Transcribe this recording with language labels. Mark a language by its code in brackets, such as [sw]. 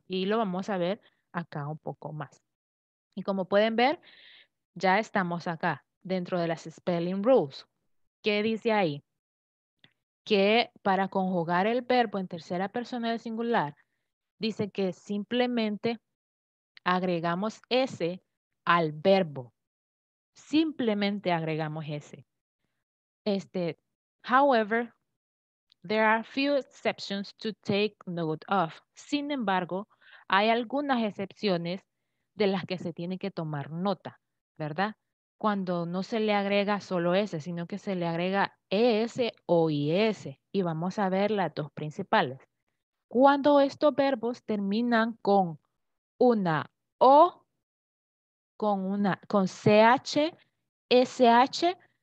[es] Y lo vamos a ver acá un poco más. Y como pueden ver, ya estamos acá, dentro de las spelling rules. ¿Qué dice ahí? Que para conjugar el verbo en tercera persona del singular, dice que simplemente agregamos S al verbo. Simplemente agregamos S. [en] However, there are few exceptions to take note of. [es] Sin embargo, hay algunas excepciones de las que se tiene que tomar nota, ¿verdad? Cuando no se le agrega solo S, sino que se le agrega ES o IS. Y vamos a ver las dos principales. Cuando estos verbos terminan con una O, con CH, SH,